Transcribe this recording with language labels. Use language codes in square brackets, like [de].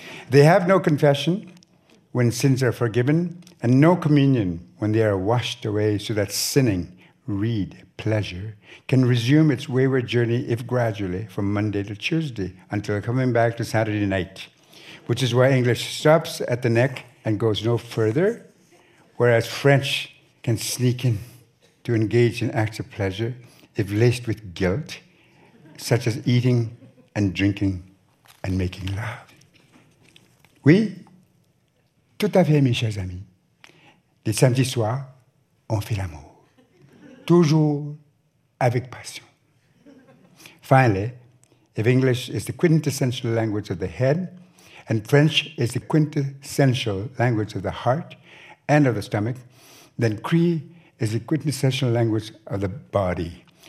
[en] They have no confession when sins are forgiven, and no communion when they are washed away, so that sinning, read, pleasure, can resume its wayward journey, if gradually, from Monday to Tuesday, until coming back to Saturday night, which is why English stops at the neck and goes no further, whereas French can sneak in to engage in acts of pleasure, if laced with guilt, such as eating and drinking and making love. [fr] Oui, tout à fait, mes chers amis. Les samedis soirs, on fait l'amour. Toujours avec passion. [en] Finally, if English is the quintessential language of the head, and French is the quintessential language of the heart and of the stomach, then Cree is the quintessential language of the body.